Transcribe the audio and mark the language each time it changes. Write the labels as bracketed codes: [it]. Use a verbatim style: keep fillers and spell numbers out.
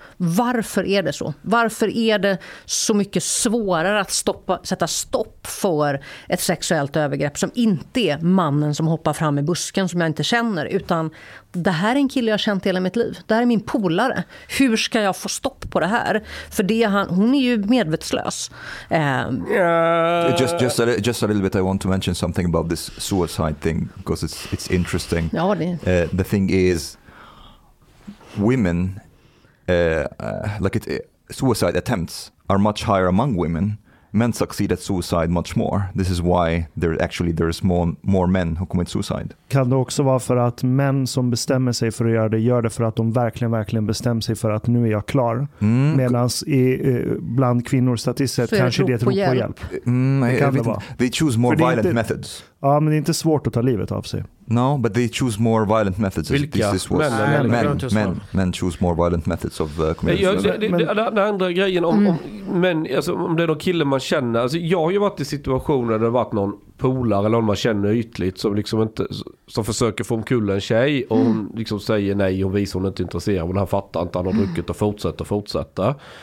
[sv] Varför är det så? Varför är det så mycket svårare att stoppa, sätta stopp för ett sexuellt övergrepp som inte är mannen som hoppar fram i busken som jag inte känner, utan det här är en kille jag har känt hela mitt liv. Det här är min polare. Hur ska jag få stopp på det här? För det han, hon är ju medvetslös. Um, [en] yeah. just, just, a, just a little bit I want to mention something about this suicide thing because it's it's interesting. [sv] Ja, det. [en] Uh, the thing is, women uh, uh, like it, uh, suicide attempts are much higher among women. Men succeed at suicide much more. This is why there actually there's more more men who commit suicide. [sv] Kan det också vara för att män som bestämmer sig för att göra det gör det för att de verkligen verkligen bestämmer sig för att nu är jag klar. Mm. Medan eh, bland kvinnor statistiskt så kanske det är ett rop på hjälp. hjälp. Mm, det kan det vara. [en] They choose more violent [sv] inte, [en] methods. [sv] Ja, men det är inte svårt att ta livet av sig. [en] No, but they choose more violent methods. [sv] Vilka? [en] This was men, men, men, men choose more violent methods of uh, committing suicide. [sv] Ja, det, det, det, den andra grejen om, mm. om, men, alltså, om det är någon kille man känner. Alltså, jag har ju varit i situationer där det har varit någon polare eller någon man känner ytligt som, liksom inte, som försöker få omkull en tjej och hon mm. liksom säger nej och visar hon inte intresserad. Men han fattar inte, han har druckit och fortsätter och fortsätter.